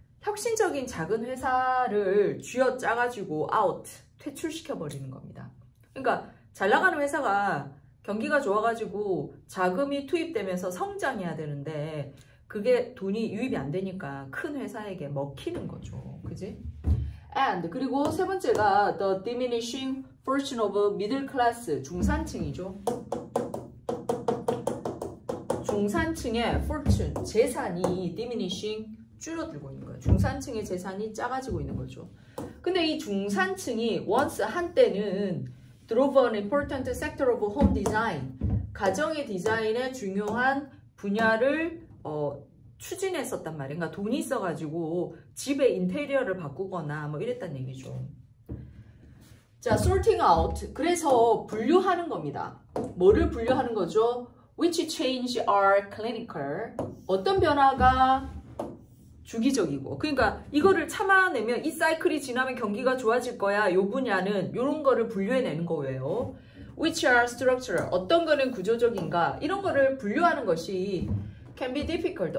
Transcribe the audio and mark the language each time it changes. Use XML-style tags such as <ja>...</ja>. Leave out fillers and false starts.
<ko>혁신적인 작은 회사를 쥐어짜가지고 out, 퇴출시켜버리는 겁니다. 그러니까 잘 나가는 회사가 경기가 좋아가지고 자금이 투입되면서 성장해야 되는데 그게 돈이 유입이 안 되니까 큰 회사에게 먹히는 거죠. 그지?</ko> <en>And</en> <ko>그리고 세 번째가</ko> <en>the diminishing Fortune of middle class,</en> <ko>중산층이죠. 중산층의 fortune, 재산이 diminishing, 줄어들고 있는 거예요. 중산층의 재산이 작아지고 있는 거죠. 근데 이 중산층이 once 한때는</ko> <en>drove an important sector of home design,</en> <ko>가정의 디자인의 중요한 분야를 추진했었단 말이에요. 그러니까 돈이 있어가지고 집의 인테리어를 바꾸거나 뭐 이랬단 얘기죠.</ko> <en>자, sorting out.</en> <ko>그래서 분류하는 겁니다. 뭐를 분류하는 거죠?</ko> <en>Which change are clinical?</en> <ko>어떤 변화가 주기적이고. 그러니까 이거를 참아내면 이 사이클이 지나면 경기가 좋아질 거야. 요 분야는 요런 거를 분류해내는 거예요.</ko> <en>Which are structural?</en> <ko>어떤 거는 구조적인가? 이런 거를 분류하는 것이</ko> <en>can be difficult.</en>